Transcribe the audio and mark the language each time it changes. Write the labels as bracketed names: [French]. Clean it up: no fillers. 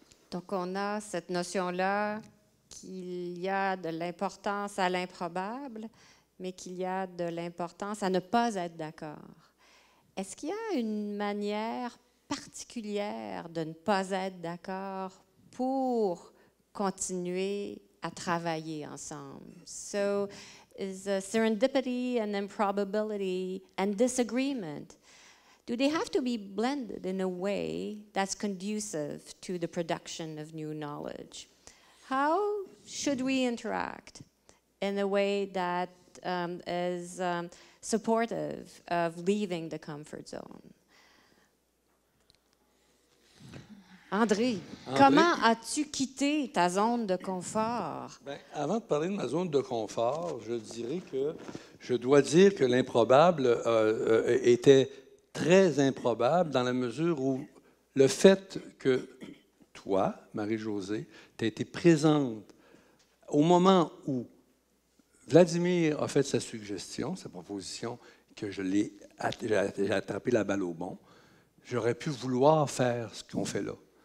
[French] Donc on a cette notion-là qu'il y a de l'importance à l'improbable, mais qu'il y a de l'importance à ne pas être d'accord. Est-ce qu'il y a une manière particulière de ne pas être d'accord pour continuer à travailler ensemble? [English] So, is serendipity and improbability and disagreement, do they have to be blended in a way that's conducive to the production of new knowledge? How should we interact in a way that is supportive of leaving the comfort zone? [French] André, comment as-tu quitté ta zone de confort? Bien, avant de parler de ma zone de confort, je dois dire que l'improbable était très improbable dans la mesure où le fait que toi, Marie-Josée, t'as été présente au moment où Vladimir a fait sa suggestion, sa proposition, que j'ai attrapé la balle au bon, j'aurais pu vouloir faire ce qu'on fait là.